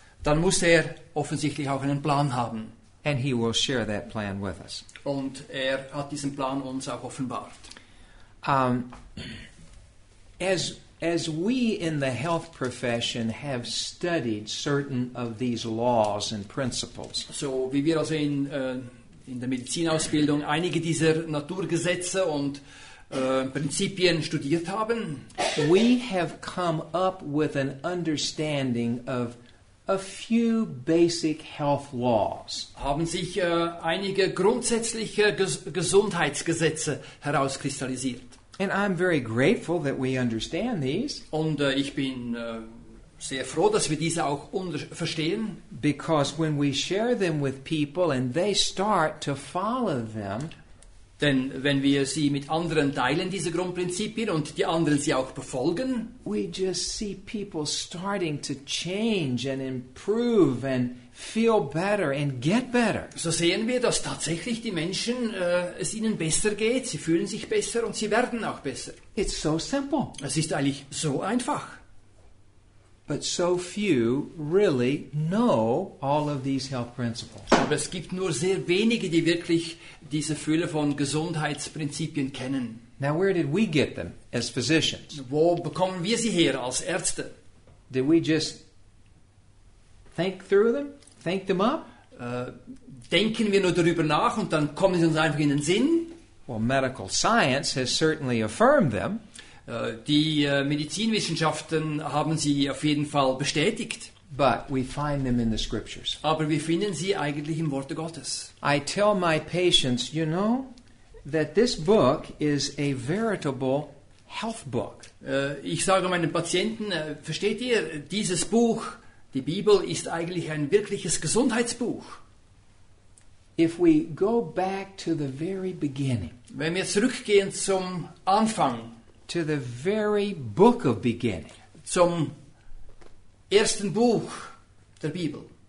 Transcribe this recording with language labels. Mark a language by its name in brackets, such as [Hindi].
[German] Dann muss er offensichtlich auch einen Plan haben. [English] And he will share that plan with us. [German] Und er hat diesen Plan uns auch offenbart. [English] As we in the health profession have studied certain of these laws and principles. [German] So, wie wir also in der Medizinausbildung einige dieser Naturgesetze und Prinzipien studiert haben. [English] We have come up with an understanding of a few basic health laws. [German] Haben sich einige grundsätzliche Gesundheitsgesetze herauskristallisiert. [English] And I'm very grateful that we understand these. [German] Und ich bin sehr froh, dass wir diese auch verstehen. [English] Because when we share them with people and they start to follow them, [German] denn wenn wir sie mit anderen teilen, diese Grundprinzipien, und die anderen sie auch befolgen, [English] we just see people starting to change and improve and feel better and get better. [German] So sehen wir, dass tatsächlich die Menschen es ihnen besser geht, sie fühlen sich besser und sie werden auch besser. [English] It's so simple. [German] Es ist eigentlich so einfach. [English] But so few really know all of these health principles. [German] Aber es gibt nur sehr wenige, die wirklich diese Fülle von Gesundheitsprinzipien kennen. [English] Now where did we get them as physicians? [German] Wo bekommen wir sie her als Ärzte? [English] Did we just think through them? Think them up? [German] Denken wir nur darüber nach und dann kommen sie uns einfach in den Sinn? [English] Well, medical science has certainly affirmed them. [German] Die Medizinwissenschaften haben sie auf jeden Fall bestätigt. [English] But we find them in the scriptures. [German] Aber wir finden sie eigentlich im Worte Gottes. [English] I tell my patients, you know, that this book is a veritable health book. [German] Ich sage meinen Patienten, versteht ihr, dieses Buch, die Bibel, ist eigentlich ein wirkliches Gesundheitsbuch. [English] If we go back to the very beginning, [German] wenn wir zurückgehen zum Anfang, [English] to the very book of beginning, [German] zum ersten Buch der Bibel,